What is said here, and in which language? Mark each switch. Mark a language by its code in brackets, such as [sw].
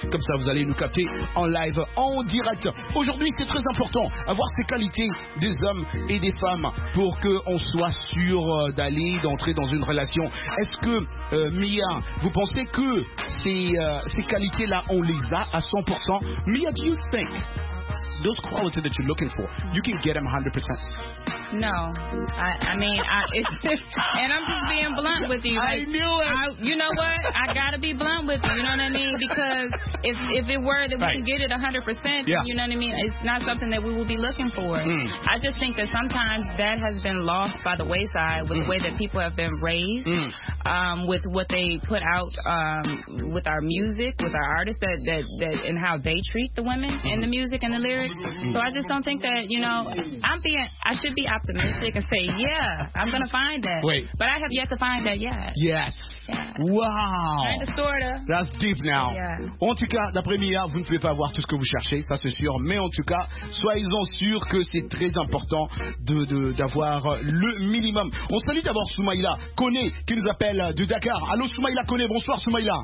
[fr] Comme ça, vous allez nous capter en live, en direct. Aujourd'hui, c'est très important avoir ces qualités des hommes et des femmes pour qu'on soit sûr d'aller, d'entrer dans une relation. Est-ce que, Mia, vous pensez que ces qualités-là, on les a à 100%? [en] Mia, do you think those qualities that you're looking for, you can get them 100%? No, I mean, I'm just being blunt with you. Like, I knew it. You know what? I gotta be blunt with you. You know what I mean? Because if it were that we right. can get it 100%, yeah. you know what I mean? It's not something that we will be looking for. Mm. I just think that sometimes that has been lost by the wayside with the way that people have been raised, mm. With what they put out, with our music, with our artists, that and how they treat the women in the music and the lyrics. Mm. So I just don't think that, you know, I should be optimistic and say, yeah, I'm going to find that. Wait. But I have yet to find that yet. Yes. Yeah. Wow. Kind of, sort of. That's deep now. Yeah. [fr] En tout cas, d'après Mia, vous ne pouvez pas avoir tout ce que vous cherchez, ça c'est sûr. Mais en tout cas, soyez-en sûr que c'est très important d'avoir le minimum. On salue d'abord Soumaïla Kone qui nous appelle de Dakar. Allô Soumaïla Kone, bonsoir Soumaïla.